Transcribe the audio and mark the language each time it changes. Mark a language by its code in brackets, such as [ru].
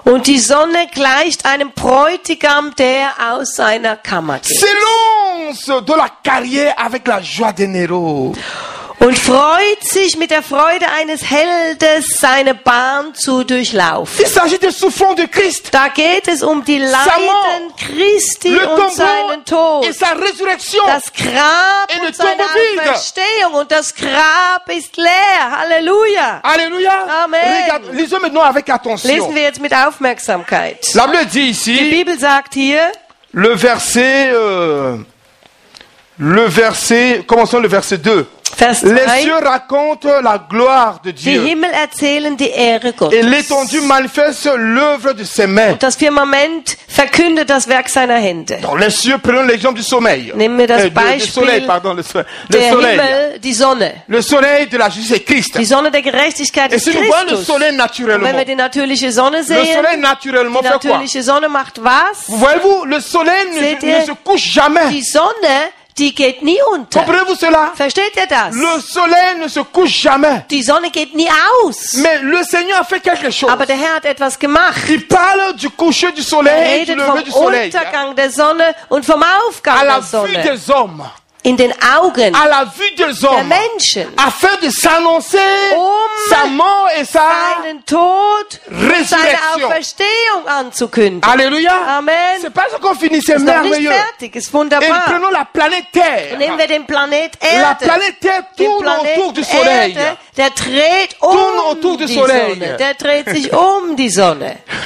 [de] Und die Sonne gleicht einem Bräutigam, der aus seiner Kammer geht. [fr] S'élance de la carrière avec la joie de Nero. [de] Und freut sich mit der Freude eines Heldes, seine Bahn zu durchlaufen. [fr] Il s'agit des souffrances de Christ. [de] Da geht es um die Leiden Christi [fr] le [de] und seinen Tod. [fr] Et sa résurrection. [de] Das Grab [fr] et [de] und [fr] le [de] seine Auferstehung. Und das Grab ist leer. Halleluja. [fr] Alléluia. [de] Amen. [fr] Regarde, lisons maintenant avec attention. [de] Lesen wir jetzt mit Aufmerksamkeit. [fr] La Bible dit ici, [de] die Bibel sagt hier, [fr] le verset, commençons le verset 2. Les cieux racontent la gloire de Dieu. [de] Die Himmel erzählen die Ehre Gottes. [fr] Et l'étendue manifeste l'œuvre de ses mains. [de] Und das Firmament verkündet das Werk seiner Hände. [fr] Dans les cieux, prenons l'exemple du sommeil. [de] Nehmen wir das Beispiel. [fr] Le soleil, pardon, le soleil. [de] Himmel, die Sonne. [fr] Le soleil de la justice est Christ. [de] Die Sonne der Gerechtigkeit ist Christus. [fr] Et si nous voyons le soleil naturellement. [de] Wenn wir die natürliche Sonne sehen. [fr] Le soleil naturellement fait quoi? [de] Die natürliche Sonne macht was? [fr] Voyez-vous, le soleil ne se couche jamais. [de] Die Sonne, die geht nie unter. [fr] Comprenez-vous cela? [de] Versteht ihr das? [fr] Le soleil ne se couche jamais. [de] Die Sonne geht nie aus. [fr] Mais le Seigneur a fait quelque chose. [de] Aber der Herr hat etwas gemacht. [fr] Il parle du coucher du soleil et du lever du soleil. [de] Er redet vom Untergang der Sonne und vom Aufgang [fr] à la [de] der Sonne. [fr] Vue des hommes. [de] In den Augen [fr] à la vue des hommes. [de] Der Menschen. [fr] Afin de s'annoncer [de] um [fr] sa mort et [de] seinen Tod, seine Auferstehung anzukündigen. [fr] Alléluia. [de] Amen. [fr] C'est pas ce qu'on finit, c'est merveilleux. [de] Ist noch nicht fertig, ist wunderbar. [fr] Et prenons la planète Terre. [de] Nehmen wir den Planet Erde. [fr] La planète Terre tourne autour du soleil. [de] Der dreht um die Sonne. Der dreht sich um die Sonne.